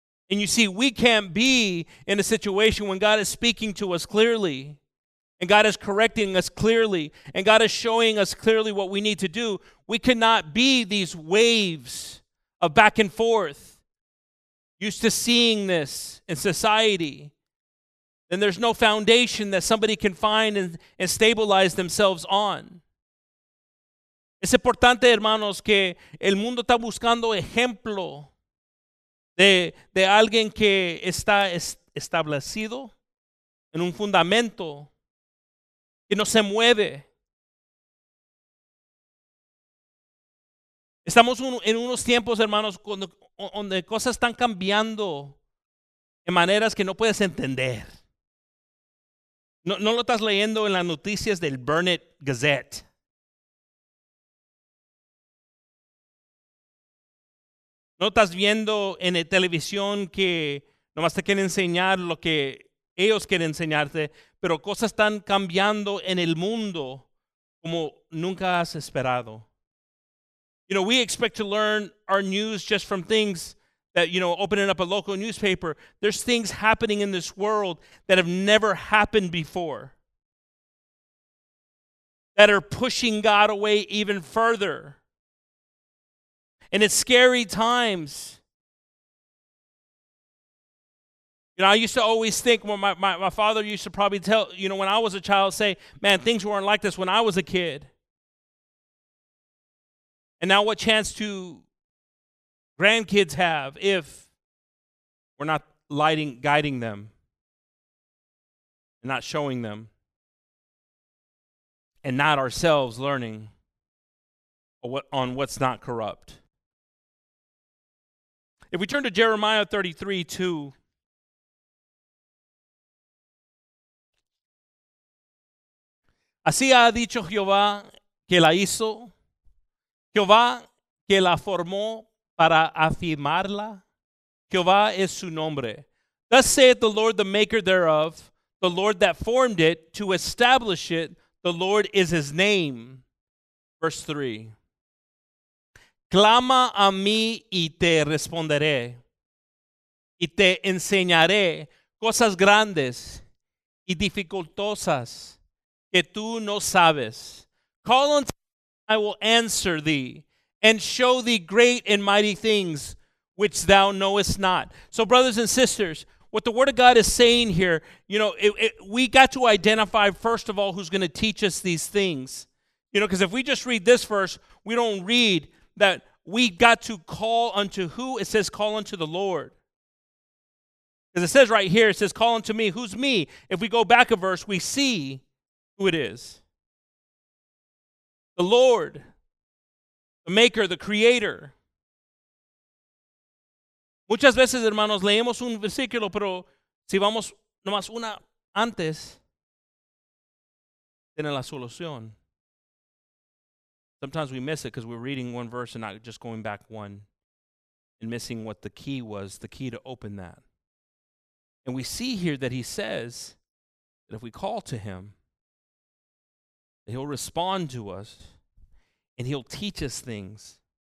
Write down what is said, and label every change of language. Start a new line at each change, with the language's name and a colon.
English: And you see, we can't be in a situation when God is speaking to us clearly and God is correcting us clearly and God is showing us clearly what we need to do. We cannot be these waves of back and forth, used to seeing this in society. Then there's no foundation that somebody can find and stabilize themselves on.
Spanish: Es importante, hermanos, que el mundo está buscando ejemplo de alguien que está establecido en un fundamento que no se mueve. Estamos en unos tiempos, hermanos, donde cosas están cambiando en maneras que no puedes entender. No lo estás leyendo en las noticias del Burnett Gazette. No estás viendo en la televisión que nomás te quieren enseñar lo que ellos quieren enseñarte, pero cosas están cambiando en el mundo como nunca has esperado.
English: You know, we expect to learn our news just from things that, you know, opening up a local newspaper. There's things happening in this world that have never happened before, that are pushing God away even further. And it's scary times. You know, I used to always think, when my father used to probably tell, you know, when I was a child, say, man, things weren't like this when I was a kid. And now what chance do grandkids have if we're not guiding them and not showing them and not ourselves learning on what's not corrupt? If we turn to Jeremiah 33:2,
Spanish: así ha dicho Jehová que la hizo, Jehová que la formó para afirmarla, Jehová es su nombre.
English: Thus saith the Lord, the maker thereof, the Lord that formed it, to establish it, the Lord is his name. Verse 3.
Spanish: Clama a mí y te responderé, y te enseñaré cosas grandes y dificultosas que tú no sabes.
English: Call unto me, I will answer thee, and show thee great and mighty things which thou knowest not. So, brothers and sisters, what the Word of God is saying here, you know, we got to identify, first of all, who's going to teach us these things. You know, because if we just read this verse, we don't read that. We got to call unto who? It says call unto the Lord. Because it says right here, it says call unto me. Who's me? If we go back a verse, we see who it is. The Lord, the maker, the creator.
Spanish: Muchas veces, hermanos, leemos un versículo, pero si vamos nomás una antes, tiene la solución.
English: Sometimes we miss it because we're reading one verse and not just going back one and missing what the key was, the key to open that. And we see here that he says that if we call to him, that he'll respond to us and he'll teach us things.